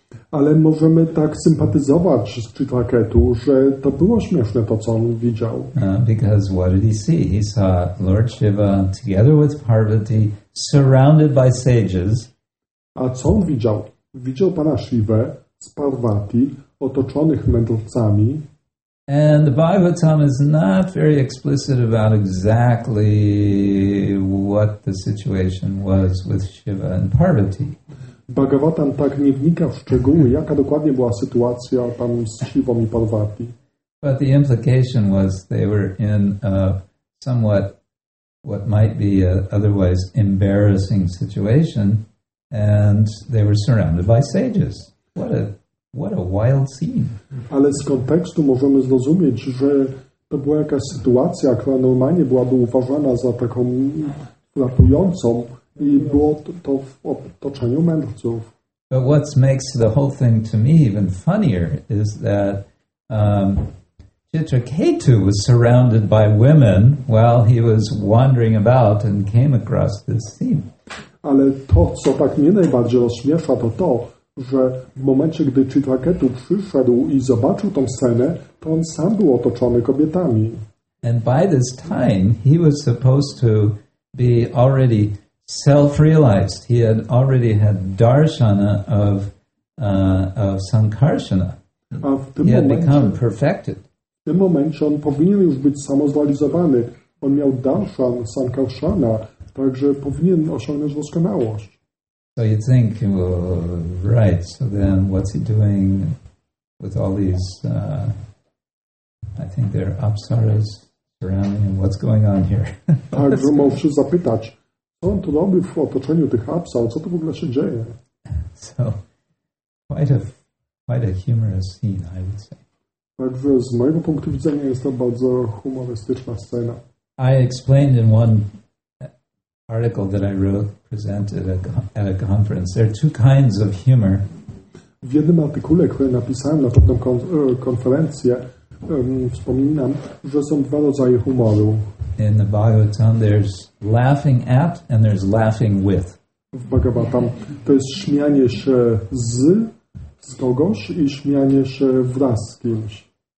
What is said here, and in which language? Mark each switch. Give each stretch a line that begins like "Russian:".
Polish: Ale możemy tak sympatyzować z Chitraketu, że to było śmieszne to, co on widział.
English: Because what did he see? He saw Lord Shiva together with Parvati, surrounded by sages.
Polish: A co on widział? Widział Pana Shivę z Parvati, otoczonych mędrcami.
English: And the Bhagavatam is not very explicit about exactly what the situation was with Shiva and Parvati.
Polish: Bhagavatam tak nie wnika w szczegóły, jaka dokładnie była sytuacja tam z Shivą i Parvati.
English: But the implication was they were in a somewhat what might be a otherwise embarrassing situation. And they were surrounded by sages. What a wild scene.
Polish: Ale z kontekstu możemy zrozumieć, że to była jakaś sytuacja, która normalnie byłaby uważana za taką frapującą i było to w otoczeniu mędrców.
English: But what makes the whole thing to me even funnier is that Chitraketu was surrounded by women while he was wandering about and came across this scene.
Polish: Ale to, co tak mnie najbardziej rozśmiesza, to to, że w momencie, gdy Chitraketu przyszedł i zobaczył tą scenę, to on sam był otoczony kobietami.
English: And by this time, he was supposed to be already self-realized. He had already had darshana of Sankarsana.
Polish: w tym momencie,
English: become perfected.
Polish: W tym momencie on powinien już być samozrealizowany. On miał darshan, sankarshana, także powinien osiągnąć doskonałość.
English: So you think, oh, right, so then what's he doing with all these, I think they're apsaras surrounding him, what's going on here?
Polish: Także mógł się zapytać, co on to robi w otoczeniu tych apsar, co to w ogóle się dzieje?
English: So, quite a humorous scene, I would say.
Polish: Także z mojego punktu widzenia jest to bardzo humorystyczna scena.
English: I explained in one article that I wrote, presented at a conference. There are two kinds of humor.
Polish: W jednym artykule, który napisałem na pewną konferencję, wspominam, że są dwa rodzaje humoru.
English: In the Bhagavatam, there's laughing at and there's laughing with.
Polish: W Bhagavatam to jest śmianie się z kogoś i śmianie się wraz z kimś.